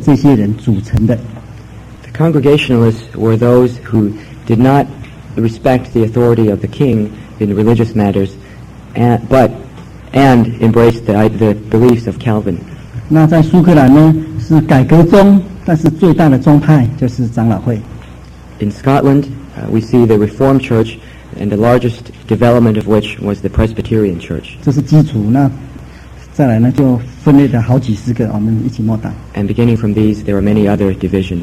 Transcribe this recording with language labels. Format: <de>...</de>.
<zh>不服英国国教的人，那他们接受了卡文主义的这些人组成的。</zh> <en>The Congregationalists were those who did not respect the authority of the king in religious matters, and embraced the beliefs of Calvin.</en> <zh>那在苏格兰呢，是改革宗，但是最大的宗派就是长老会。</zh> <en>In Scotland, we see the Reformed Church, and the largest development of which was the Presbyterian Church.</en> <zh>这是基础呢。再来呢，就分裂了好几十个，我们一起默祷。</zh> <en>And beginning from these, there are many other divisions.</en>